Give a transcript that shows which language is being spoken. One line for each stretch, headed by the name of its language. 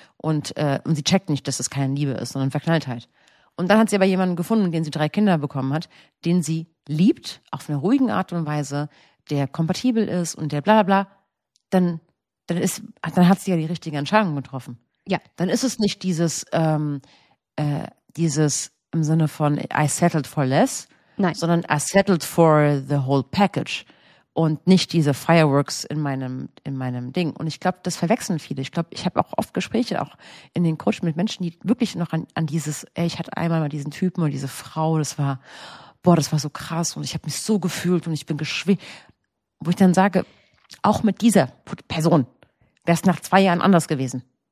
German: Und sie checkt nicht, dass es keine Liebe ist, sondern Verknalltheit. Und dann hat sie aber jemanden gefunden, den sie 3 Kinder bekommen hat, den sie liebt, auf einer ruhigen Art und Weise, der kompatibel ist und der bla bla bla, dann hat sie ja die richtige Entscheidung getroffen. Ja. Dann ist es nicht dieses, dieses im Sinne von
English: I settled for less.
German: Nein. Sondern
English: I settled for the whole package.
German: Und nicht diese Fireworks in meinem Ding. Und ich glaube, das verwechseln viele. Ich glaube, ich habe auch oft Gespräche auch in den Coaching mit Menschen, die wirklich noch an dieses, ich hatte einmal mal diesen Typen oder diese Frau, das war so krass und ich habe mich so gefühlt und ich bin wo ich dann sage, auch mit dieser Person wäre es nach 2 Jahren anders gewesen.